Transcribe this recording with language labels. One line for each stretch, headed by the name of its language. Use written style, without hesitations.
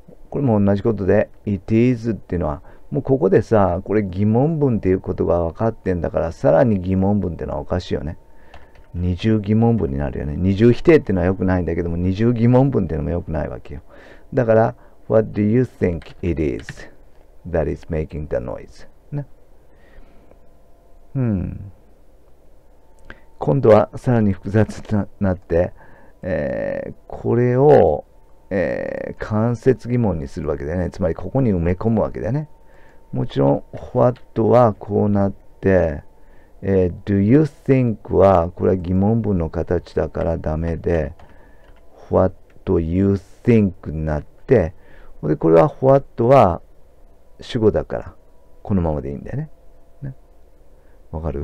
Japanese: これも同じことで、It is っていうのは、もうここでさ、これ疑問文っていうことが分かってんだから、さらに疑問文っていうのはおかしいよね。二重疑問文になるよね。二重否定っていうのは良くないんだけども、二重疑問文っていうのも良くないわけよ。
English: だから、What do you think it is that is making the noise?
Japanese: ね。今度はさらに複雑になって、これを、間接疑問にするわけだよね。つまり、ここに埋め込むわけだよね。もちろん、What はこうなって、Do you think は、これは疑問文の形だからダメで、
English: What do you think
Japanese: になって、これは What は主語だから、このままでいいんだよね。わかる？